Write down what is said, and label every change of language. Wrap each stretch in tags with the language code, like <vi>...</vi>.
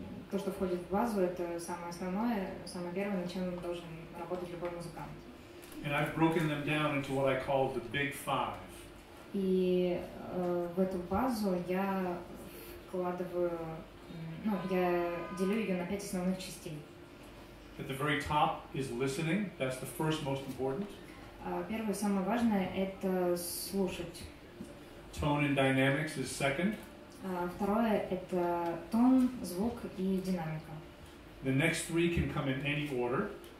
<ru>То, что входит в базу, это самое основное, самое первое, над чем должен работать любой музыкант.</ru> <en>And I've broken them down into what I call the big five.</en> <ru>И в эту базу я вкладываю, ну, я делю ее на пять основных частей.</ru> <en>At the very top is listening. That's the first most important.</en> <ru>Первое, самое важное, это слушать.</ru> <en>Tone and dynamics is second.</en> <ru>Второе – это тон, звук и динамика.</ru> <en>The next three can come in any order.</en>